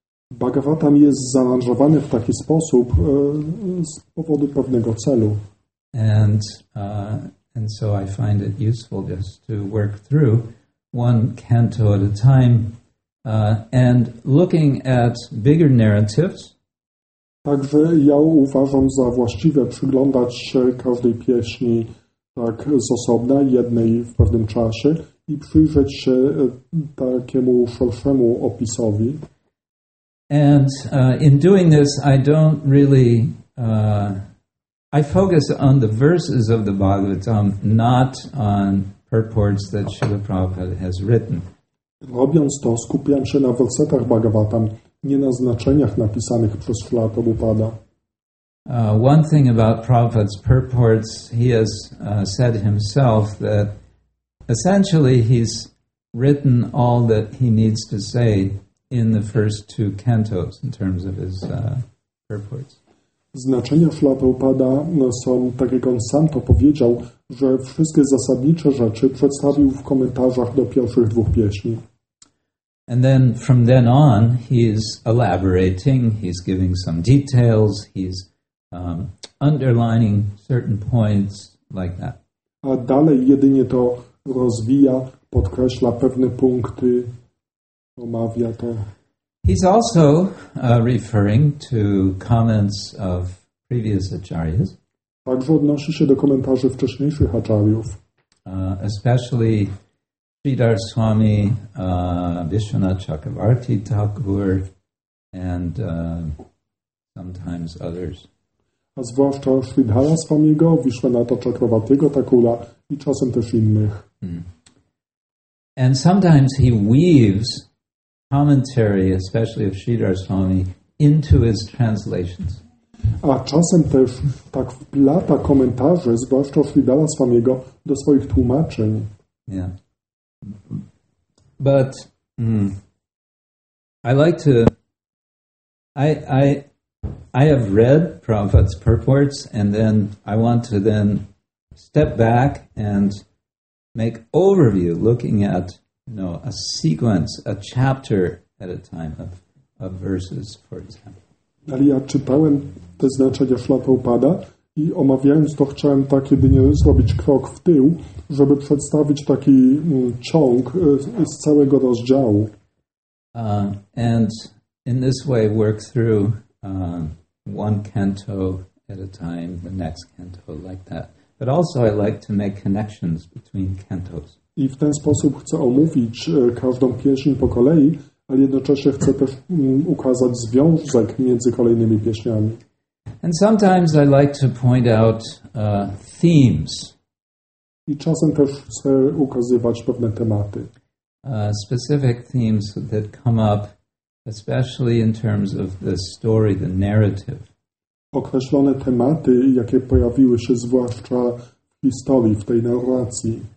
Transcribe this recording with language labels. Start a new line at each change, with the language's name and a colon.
Polish: Bhagavatam jest zaaranżowany w taki sposób z powodu pewnego celu.
English: And so I find it useful just to work through one canto at a time and looking at bigger narratives.
Polish: Także ja uważam za właściwe przyglądać się każdej pieśni tak z osobna, jednej w pewnym czasie i przyjrzeć się takiemu szerszemu opisowi.
English: And in doing this, I don't really I focus on the verses of the Bhagavatam, not on purports that Śrīla Prabhupāda has written.
Polish: Robiąc to, skupiam się na wersetach Bhagavatam, nie na znaczeniach napisanych przez Śrīla Prabhupāda.
English: One thing about Prabhupāda's purports, he has said himself that essentially he's written all that he needs to say in the first two cantos in terms of his purports.
Polish: Znaczenia Śrīla Prabhupāda są, tak jak on sam to powiedział, że wszystkie zasadnicze rzeczy przedstawił w komentarzach do pierwszych dwóch pieśni.
English: And then from then on he's elaborating, he's giving some details, he's underlining certain points like that.
Polish: A dalej jedynie to rozwija, podkreśla pewne punkty, omawia to.
English: He's also referring to comments of previous acharyas.
Polish: Także odnosi się do komentarzy wcześniejszych acharyów.
English: Especially Sridhar Swami, Vishwanath Chakravarti Thakur and sometimes others.
Polish: A zwłaszcza Sridhara Swamiego, Vishwanatha Chakravartiego Thakura i czasem też innych.
English: And sometimes he weaves commentary, especially of Sridhar Swami, into his translations.
Polish: A czasem też tak wplata komentarze, zwłaszcza Sridhara Swamiego, do swoich tłumaczeń.
English: Yeah. But I like to. I have read Prabhupada's purports, and then I want to then step back and make overview, looking at, you know, a sequence, a chapter at a time of verses, for example.
Polish: Ale ja czytałem te znaczenia Śrīla Prabhupāda i omawiając to chciałem tak jedynie zrobić krok w tył, żeby przedstawić taki ciąg z całego rozdziału.
English: And in this way work through one canto at a time, the next canto like that. But also I like to make connections between cantos.
Polish: I w ten sposób chcę omówić każdą pieśń po kolei, ale jednocześnie chcę też ukazać związek między kolejnymi pieśniami.
English: And sometimes I like to point out themes.
Polish: I czasem też chcę ukazywać pewne tematy.
English: Specific themes that come up, especially in terms of the story, the narrative.
Polish: Określone tematy, jakie pojawiły się zwłaszcza w historii, w tej narracji.